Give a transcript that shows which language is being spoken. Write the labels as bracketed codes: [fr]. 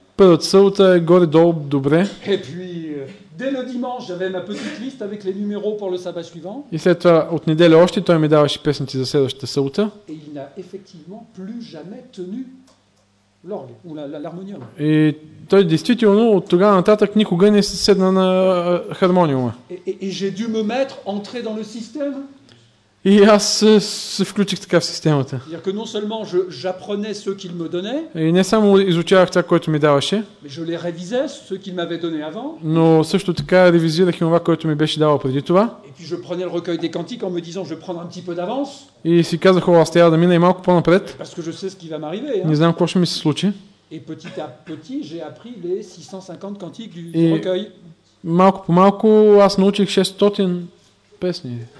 [bg] Първата събота е горе-долу добре. [fr] Et puis, dès le dimanche, j'avais ma petite liste avec les numéros pour le sabbat suivant. [bg] И след това, от неделя още, той ми даваше песните за следващата събота. [fr] Et il n'a effectivement plus jamais tenu l'orgue ou l'harmonium. Et [bg] той действително от тогава нататък никога не се седна на хармониума. [fr] Et j'ai dû me mettre entrer dans le système. [bg] И аз се включих така в системата. [fr] Que non seulement j'apprenais ce qu'il me donnait. [bg] И не само изучавах това, което ми даваше. [fr] Mais je les révisais ce qu'il m'avait donné avant. [bg] Но също така ревизирах и това, което ми беше давал преди това. [fr] Et puis je prenais le recueil des cantiques en me disant je prends un petit peu d'avance. [bg] И си казах, аз трябва да мина и малко по-напред. [fr] Parce que je sais ce qui va m'arriver, hein. [bg] Не знам какво ще ми се случи. [fr] Et petit à petit, j'ai appris les 650 cantiques du recueil. [bg] Малко по малко аз научих 600 песни.